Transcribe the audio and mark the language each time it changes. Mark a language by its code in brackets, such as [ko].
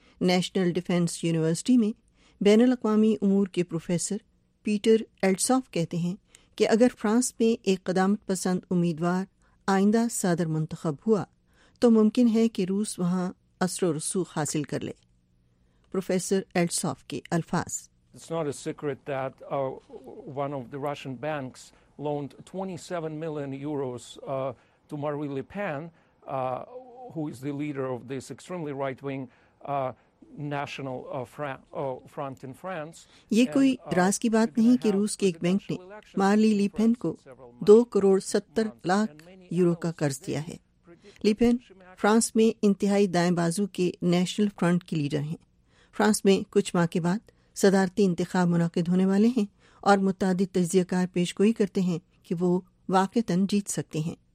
[ur] National defence university میں بین الاقوامی امور کے پروفیسر پیٹر ایلسوف کہتے ہیں کہ اگر فرانس میں ایک قدامت پسند امیدوار آئندہ صدر منتخب ہوا تو ممکن ہے کہ روس وہاں اثر و رسوخ حاصل کر لے. پروفیسر ایلسوف کے الفاظ. [en] It's not a secret that one of the Russian banks loaned 27 million euros to Marine Le Pen, who is the leader of this extremely right-wing national front in France. [ur] یہ کوئی راز کی بات نہیں کہ روس کے ایک بینک نے مارلی لی پین کو 2,70,00,000 یورو کا قرض دیا ہے. لی پین فرانس میں انتہائی دائیں بازو کے نیشنل فرنٹ کی لیڈر ہیں. فرانس میں کچھ ماہ کے بعد صدارتی انتخاب منعقد ہونے والے ہیں اور متعدد تجزیہ کار پیش گوئی کرتے ہیں کہ وہ واقعتاً جیت سکتے ہیں.